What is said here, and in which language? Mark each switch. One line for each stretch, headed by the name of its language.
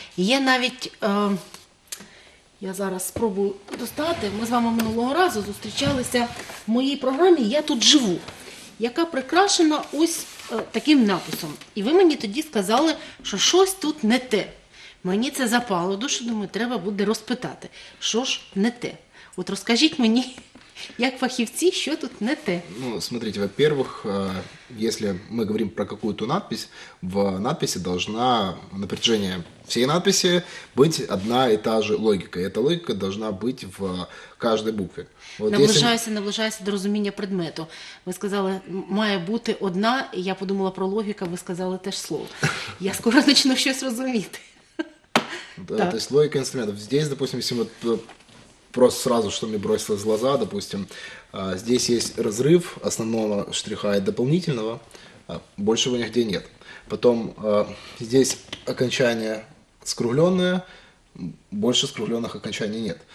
Ukrainian: Є навіть, я зараз спробую достати, ми з вами минулого разу зустрічалися в моїй програмі «Я тут живу», яка прикрашена ось таким написом. І ви мені тоді сказали, що щось тут не те. Мені це запало душу, думаю, треба буде розпитати, що ж не те. От розкажіть мені, як фахівці, що тут не те?
Russian: Ну, смотрите, во-первых, если мы говорим про какую-то надпись, в надписи должна на протяжении всей надписи быть одна и та же логика. И эта логика должна быть в каждой букве.
Ukrainian: Вот наближаюся до розуміння предмету. Ви сказали, має бути одна, і я подумала про логіку, ви сказали те ж слово. Я скоро почну щось розуміти.
Russian: Да, то есть логика инструментов. Здесь, допустим, если мы... Просто сразу, что мне бросилось в глаза, допустим, здесь есть разрыв основного штриха и дополнительного, большего нигде нет. Потом здесь окончание скругленное, больше скругленных окончаний нет.